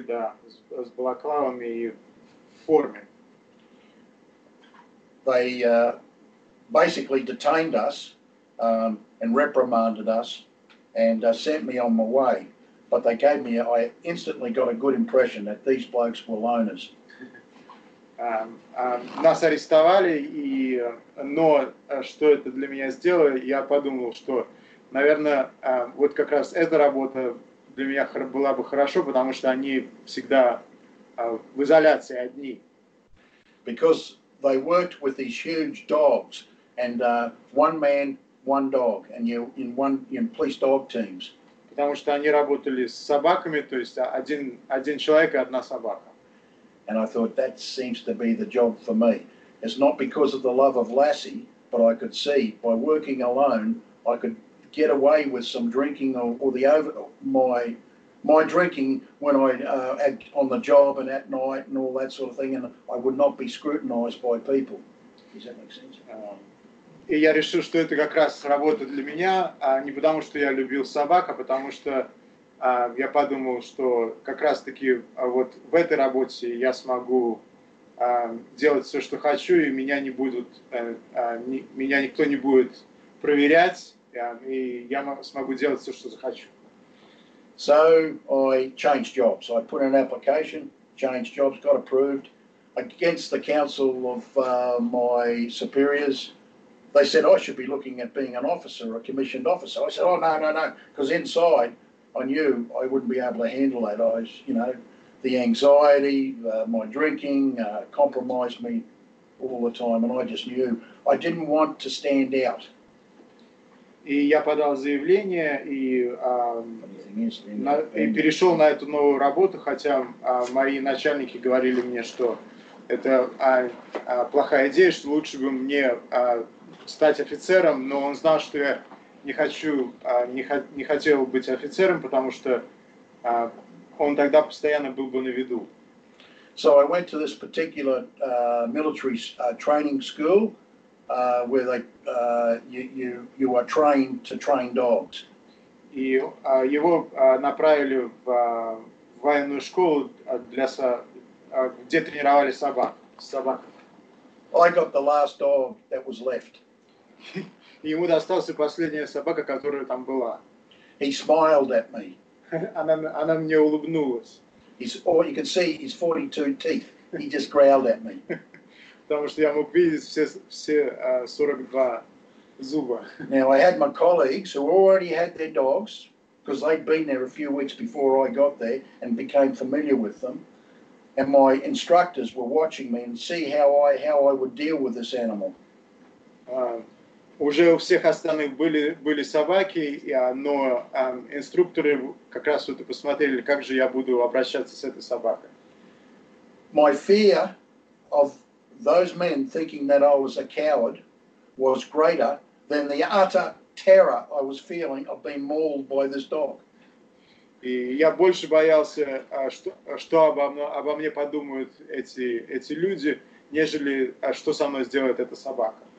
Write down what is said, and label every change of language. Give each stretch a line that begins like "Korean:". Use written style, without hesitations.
Russian: да, с балаклавами и в форме.
English: They basically detained us and reprimanded us and sent me on my way. But they gave me, I instantly got a good impression that these blokes were loners.
Russian: Нас арестовали, и, но что это для меня сделало, я подумал, что, наверное, вот как раз эта работа для меня была бы хорошо, потому что они всегда в изоляции одни.
English: Because they worked with these huge dogs, and one man, one dog, and you in one in police dog teams.
Russian: Потому что они работали с собаками, то есть один человек и одна собака.
English: And I thought that seems to be the job for me. It's not because of the love of Lassie, but I could see by working alone, I could get away with some drinking or the over my my drinking when I on the job and at night and all that sort of thing, and I would not be scrutinized by people. Does that make sense?
Russian: И я решил, что это как раз работа для меня, а не потому, что я любил собак, а потому что я подумал, что как раз-таки вот в этой работе я смогу делать все, что хочу, и меня не будут, меня никто не будет проверять, и я смогу делать все, что захочу.
English: So I changed jobs. I put an application, changed jobs, got approved against the counsel of my superiors. They said I should be looking at being an officer, a commissioned officer. I said, oh, no, no, no, because inside I knew I wouldn't be able to handle that. I was, you know, the anxiety, my drinking compromised me all the time, and I just knew I didn't want to stand out.
Russian: И я подал заявление и, и перешел на эту новую работу, хотя мои начальники говорили мне, что это плохая идея, что лучше бы мне... стать офицером, но он знал, что я не хочу, не хотел быть офицером, потому что он тогда постоянно был бы на виду.
English: So I went to this particular military training school where they you are trained to train dogs.
Russian: И его направили в военную школу для где тренировали собак.
English: I got the last dog that was left.
Russian: Ему досталась последняя собака, которая там была.
English: He smiled at me.
Russian: Она мне улыбнулась.
English: He's, oh, you can see his 42 teeth. He just growled at me.
Russian: Потому что я мог видеть все 42 зуба.
English: Now I had my colleagues who already had their dogs, because they'd been there a few weeks before I got there and became familiar with them, and my instructors were watching me and see how I would deal with this animal.
Russian: Уже у всех остальных были собаки, но инструкторы как раз вот и посмотрели, как же я буду обращаться с этой собакой.
English: My fear of those men thinking that I was a coward was greater than the utter terror I was feeling of being mauled by this dog.
Russian: И я больше боялся, что обо мне подумают эти люди, нежели что со мной сделает эта собака.